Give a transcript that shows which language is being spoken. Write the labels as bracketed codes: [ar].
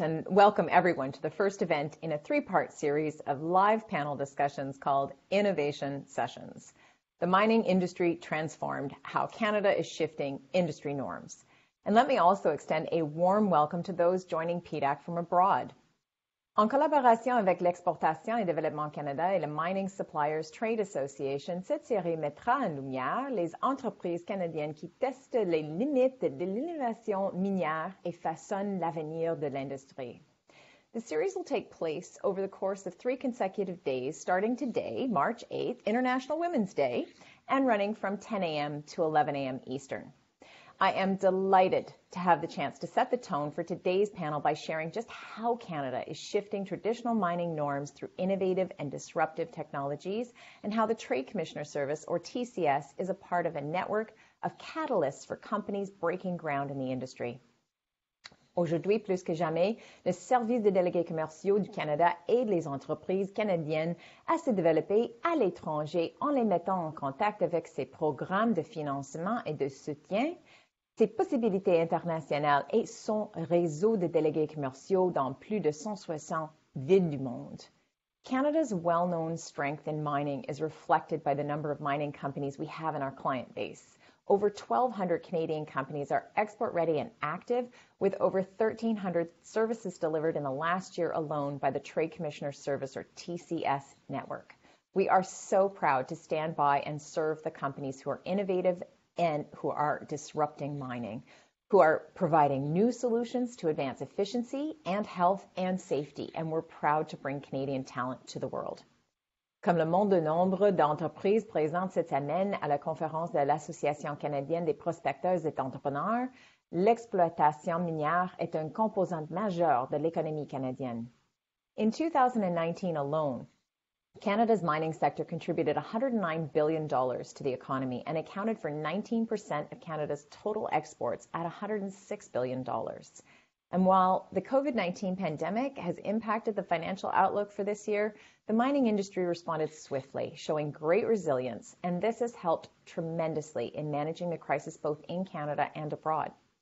[en] And welcome everyone to the first event in a three-part series of live panel discussions called Innovation Sessions. The mining industry transformed, how Canada is shifting industry norms. And let me also extend a warm welcome to those joining PDAC from abroad. [fr] En collaboration avec l'Exportation et Développement Canada et le Mining Suppliers Trade Association, cette série mettra en lumière les entreprises canadiennes qui testent les limites de l'innovation minière et façonnent l'avenir de l'industrie. [en] The series will take place over the course of three consecutive days, starting today, March 8th, International Women's Day, and running from 10 a.m. to 11 a.m. Eastern. I am delighted to have the chance to set the tone for today's panel by sharing just how Canada is shifting traditional mining norms through innovative and disruptive technologies, and how the Trade Commissioner Service, or TCS, is a part of a network of catalysts for companies breaking ground in the industry. [fr] Aujourd'hui, plus que jamais, le Service des délégués commerciaux du Canada aide les entreprises canadiennes à se développer à l'étranger en les mettant en contact avec ses programmes de financement et de soutien, ses possibilités internationales et son réseau de délégués commerciaux dans plus de 160 villes du monde. [en] Canada's well-known strength in mining is reflected by the number of mining companies we have in our client base. Over 1,200 Canadian companies are export-ready and active, with over 1,300 services delivered in the last year alone by the Trade Commissioner Service, or TCS, network. We are so proud to stand by and serve the companies who are innovative and who are disrupting mining, who are providing new solutions to advance efficiency and health and safety, and we're proud to bring Canadian talent to the world. [fr] Comme le monde de nombre d'entreprises présentes cette semaine à la conférence de l'Association canadienne des prospecteurs et entrepreneurs, l'exploitation minière est une composante majeure de l'économie canadienne. [en] In 2019 alone, Canada's mining sector contributed $109 billion to the economy and accounted for 19% of Canada's total exports at $106 billion. And while the COVID-19 pandemic has impacted the financial outlook for this year, the mining industry responded swiftly, showing great resilience, and this has helped tremendously in managing the crisis both in Canada and abroad.